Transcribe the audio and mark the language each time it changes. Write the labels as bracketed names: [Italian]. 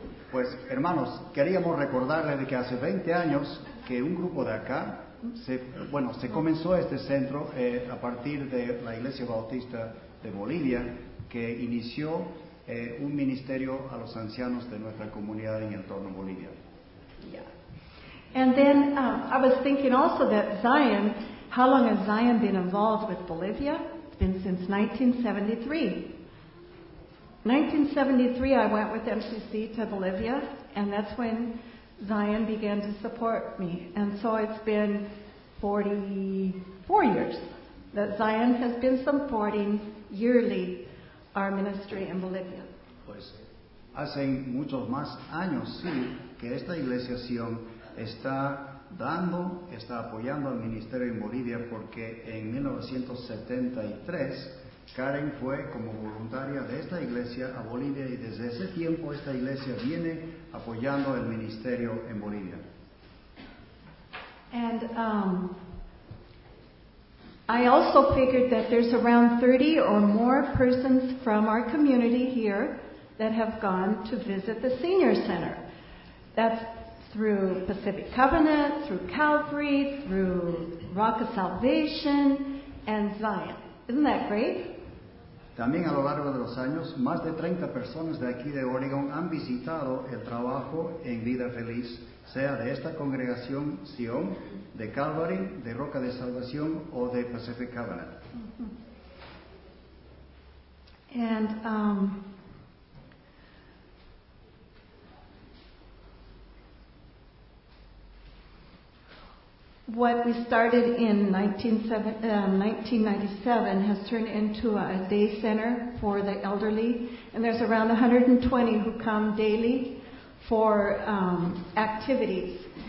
[Spanish] Pues, hermanos, queríamos recordarles de que hace 20 años que un grupo de acá, se comenzó este centro a partir de la Iglesia Bautista de Bolivia, que inició un ministerio a los ancianos de nuestra comunidad en El Torno, Bolivia. [English] Yeah. And then I was thinking also that Zion, how long has Zion been involved with Bolivia? It's been since 1973. 1973, I went with MCC to Bolivia, and that's when Zion began to support me. And so it's been 44 years that Zion has been supporting yearly our ministry in Bolivia. [Spanish] Pues, hace muchos más años, sí, que esta iglesia Sion está dando, está apoyando al ministerio en Bolivia, porque en 1973... Karen fue como voluntaria de esta iglesia a Bolivia, y desde ese tiempo esta iglesia viene apoyando el ministerio en Bolivia. [English] And I also figured that there's around 30 or more persons from our community here that have gone to visit the senior center. That's through Pacific Covenant, through Calvary, through Rock of Salvation, and Zion. Isn't that great? [Spanish] También a lo largo de los años, más de 30 personas de aquí de Oregon han visitado el trabajo en Vida Feliz, sea de esta congregación Sion, de Calvary, de Roca de Salvación o de Pacific Covenant. [English] And what we started in 1997 has turned into a day center for the elderly, and there's around 120 who come daily for activities.